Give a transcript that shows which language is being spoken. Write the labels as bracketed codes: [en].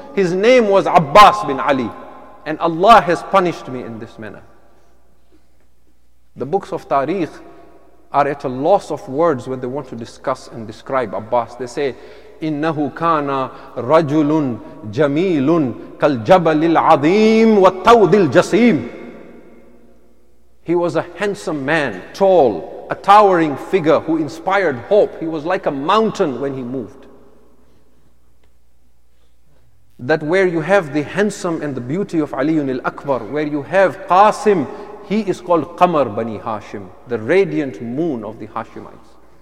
[en] His name was Abbas bin Ali. And Allah has punished me in this manner.'" The books of Tariq are at a loss of words when they want to discuss and describe Abbas. They say, [ar] "Innahu kana rajulun jamilun كالجبل العظيم والتود الجسيم. [en] He was a handsome man, tall, a towering figure who inspired hope. He was like a mountain when he moved. That where you have the handsome and the beauty of Ali ibn al-Akbar, where you have Qasim, he is called Qamar Bani Hashim, the radiant moon of the Hashimites.